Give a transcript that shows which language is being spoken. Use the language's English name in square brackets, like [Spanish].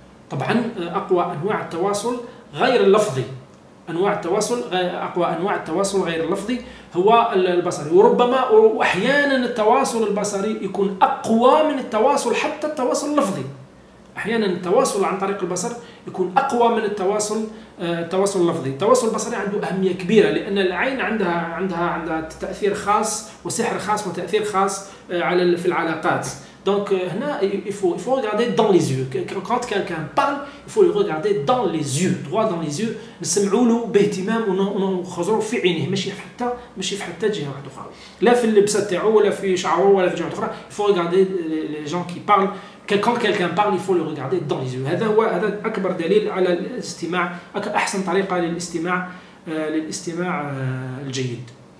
[Arabic] طبعا اقوى انواع التواصل غير اللفظي، اقوى انواع التواصل غير اللفظي هو البصري، وربما واحيانا التواصل البصري يكون اقوى من التواصل، حتى التواصل اللفظي احيانا التواصل عن طريق البصر يكون اقوى من التواصل اللفظي. التواصل البصري عنده اهميه كبيره، لان العين عندها تاثير خاص وسحر خاص وتاثير خاص على في العلاقات. دونك هنا [French] il faut regarder dans les yeux. Quand quelqu'un parle, il faut le regarder dans les yeux, droit dans les yeux. [Arabic] نسمعوا له باهتمام ونخزروا في عينيه، ماشي حتى جهه واحده اخرى، لا في اللبسه تاعو ولا في شعره ولا في جهه اخرى. [French] Il faut regarder les gens qui parlent. Quand quelqu'un parle, il faut le regarder dans les yeux. [Arabic] هذا اكبر دليل على الاستماع، احسن طريقه للاستماع الجيد.